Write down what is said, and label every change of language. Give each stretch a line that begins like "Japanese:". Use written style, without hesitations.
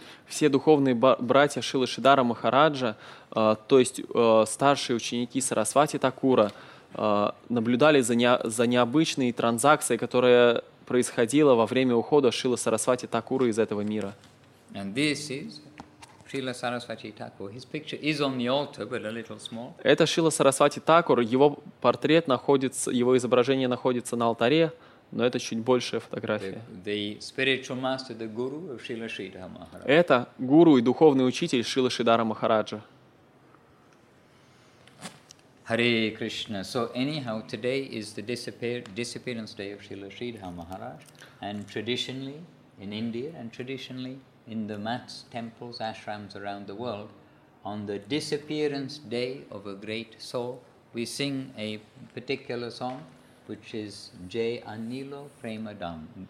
Russian: Все духовные братья Шрилы Шридхара Махараджа, то есть старшие ученики Сарасвати Такура, наблюдали за необычной транзакцией, которая происходила во время ухода Шрилы Сарасвати Такура из этого мира.
English: And this is Srila Saraswati Thakur. His picture is on the altar, but a little small.
Russian: Это Шрила Сарасвати Такур. Его портрет находится, его изображение находится на алтаре, но это чуть большая фотография.
English: The spiritual master, the guru of Srila Sridhara Maharaja.
Russian: Это гуру и духовный учитель Шрилы Шридхара Махараджа.
English: Hare Krishna. So anyhow, today is the disappearance day of Srila Sridhara Maharaj. And traditionally in India and traditionally in the mats, temples, ashrams around the world, on the disappearance day of a great soul, we sing a particular song, which is Jai Anilo Prema Dham.